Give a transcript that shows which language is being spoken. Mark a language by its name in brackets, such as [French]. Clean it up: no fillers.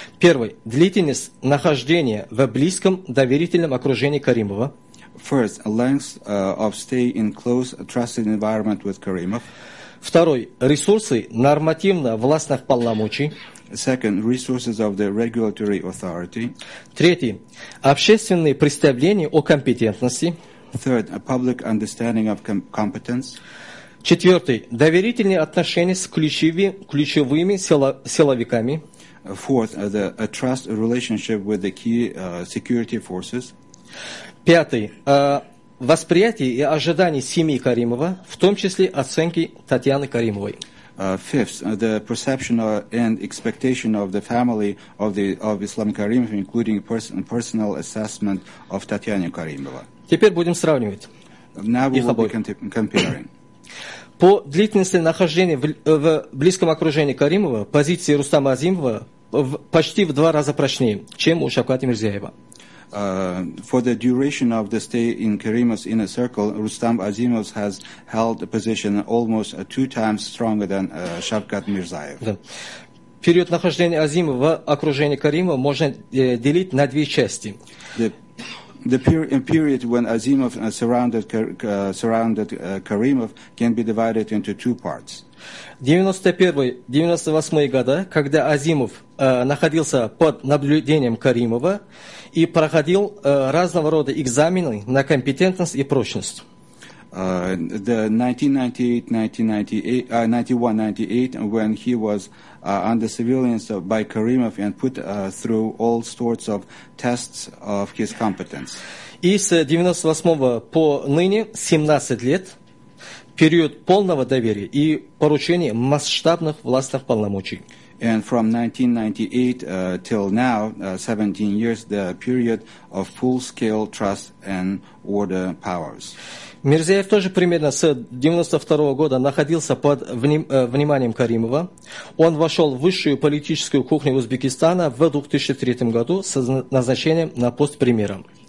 [Russian] Первый. Длительность нахождения в близком доверительном окружении Каримова. [English] First, length of stay in close trusted environment with Karimov. [Russian] Второй, ресурсы нормативно властных полномочий. [English] Second, resources of the regulatory authority. [Russian] Третий, общественные представления о компетентности. [English] Third, a public understanding of competence. [Russian] Четвертый, доверительные отношения с ключевыми силовиками. [English] Fourth, a trust relationship with the key security forces. [Russian] Пятый. Восприятие и ожидание семьи Каримова, в том числе оценки Татьяны Каримовой. [English] Fifth. The perception and expectation of the family of Islam Karimov, including personal assessment of Татьяны Каримова. [Russian] Теперь будем сравнивать. [English] Now we will be comparing. [Russian] По длительности нахождения в близком окружении Каримова позиции Рустама Азимова почти в два раза прочнее, чем у Шавката Мирзиёева. [English] For the duration of the stay in Karimov's inner circle, Rustam Azimov has held a position almost two times stronger than Shavkat Mirziyoyev. [Russian] Да. Период нахождения Азимова в окружении Каримова можно делить на две части. [English] The period when Azimov surrounded Karimov can be divided into two parts. [Russian] 91-98 года, когда Азимов находился под наблюдением Каримова и проходил разного рода экзамены на компетентность и прочность. [English] The 1998 when he was under surveillance by Karimov and put through all sorts of tests of his competence. [Russian] И с 98 по ныне 17 лет период полного доверия и поручения масштабных властных полномочий. [English] And from 1998 till now, 17 years, the period of full-scale trust and order powers. [Russian] Мирзиёев тоже примерно с 92 года находился под вниманием Каримова. Он вошел в высшую политическую кухню Узбекистана в 2003 году с назначением на пост премьера.